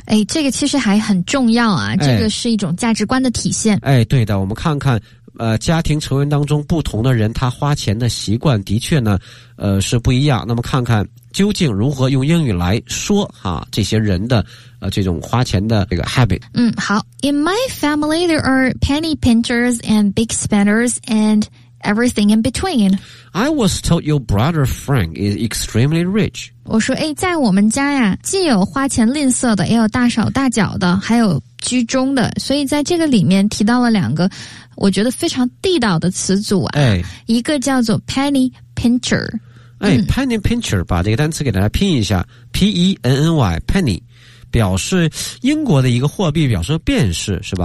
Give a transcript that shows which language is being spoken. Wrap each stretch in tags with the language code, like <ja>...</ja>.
<zh>哎，这个其实还很重要啊，这个是一种价值观的体现。哎，对的，我们看看家庭成员当中不同的人，他花钱的习惯的确呢是不一样。那么看看究竟如何用英语来说哈，这些人的这种花钱的这个 habit。</zh> <en>好， In my family there are penny pinchers and big spenders and everything in between. I was told your brother Frank is extremely rich.</en> <zh>我说，哎，在我们家呀，既有花钱吝啬的，也有大手大脚的，还有居中的。所以在这个里面提到了两个我觉得非常地道的词组啊，哎，一个叫做 penny pincher。哎 ，penny pincher， 把这个单词给大家拼一下 ，P-E-N-N-Y， penny， 表示英国的一个货币，表示便士是吧？</zh>